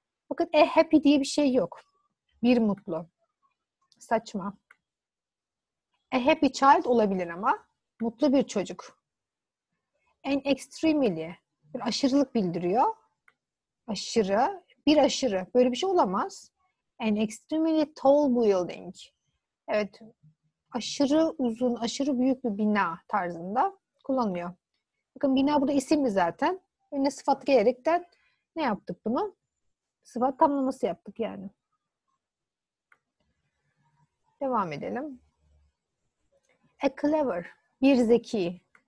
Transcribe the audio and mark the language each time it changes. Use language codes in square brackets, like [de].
[tr] Bakın happy diye bir şey yok. Bir mutlu. Saçma. [en] A happy child [tr] olabilir ama. Mutlu bir çocuk. [en] An extremely. [tr] Bir aşırılık bildiriyor. Aşırı. Bir aşırı. Böyle bir şey olamaz. [en] An extremely tall building. [tr] Evet. Aşırı uzun, aşırı büyük bir bina tarzında kullanılıyor. Bakın bina burada isim mi zaten? Önüne sıfat gelerekten ne yaptık bunu? Sıfat tamlaması yaptık yani. Devam edelim. [en] A clever, [tr] bir zeki.